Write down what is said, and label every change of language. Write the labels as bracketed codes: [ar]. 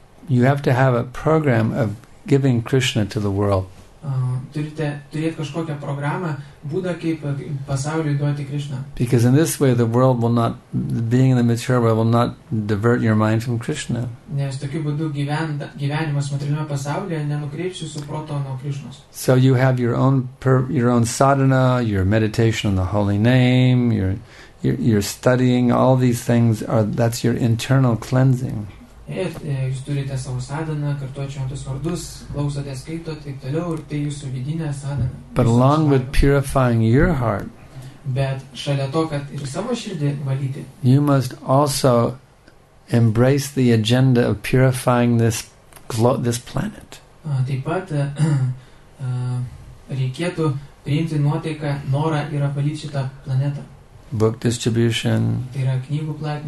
[en] You have to have a program of giving Krishna to the world. [lt] Turite turėti kažkokią programą, būdą, kaip pasauliui duoti Krishna. [en] Because in this way, being in the material world will not divert your mind from Krishna. [lt] Nes tokiu būdu gyvenimas materialiame pasaulyje nenukreips jūsų proto nuo Krishnos. [en] So you have your own sadhana, your meditation on the holy name, your studying, all these things, that's your internal cleansing. [lt] Ir jūs turite savo sadaną, kartuočiu antus vardus, klausote, skaito, taip toliau, ir tai jūsų vidinė sadana. [en] But along with purifying your heart, [lt] bet šalia to, kad ir savo širdį valyti, [en] you must also embrace the agenda of purifying this planet. [lt] Taip pat reikėtų priimti nuotaiką, norą ir apvalyti šitą planetą. [en] Book distribution, [lt] tai yra knygų platinimas,